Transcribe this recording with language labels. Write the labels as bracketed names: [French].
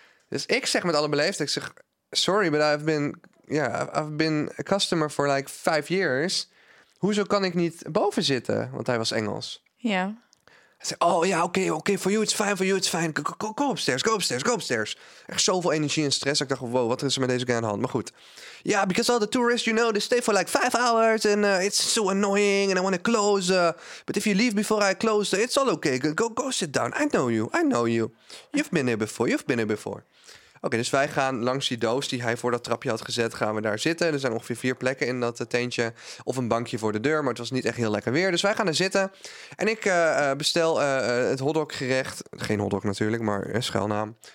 [Dutch] Dus ik zeg met alle beleefdheid, ik zeg, [English] sorry, but I've been a customer for like 5 years. [Dutch] Hoezo kan ik niet boven zitten? Want hij was Engels. Ja. Hij zegt, oh ja, oké, [English] for you it's fine, for you it's fine. Go upstairs. [Dutch] Echt zoveel energie en stress. Ik dacht, wow, wat is er met deze guy aan de hand? Maar goed. [English] Ja, yeah, because all the tourists, you know, they stay for like 5 hours. And it's so annoying. And I want to close. But if you leave before I close, it's all okay. Go sit down. I know you. You've been here before. [Dutch] Oké, dus wij gaan langs die doos die hij voor dat trapje had gezet, gaan we daar zitten. Er zijn ongeveer 4 plekken in dat tentje. Of een bankje voor de deur, maar het was niet echt heel lekker weer. Dus wij gaan er zitten. En ik bestel het hotdoggerecht. Geen hotdog natuurlijk, maar een schuilnaam.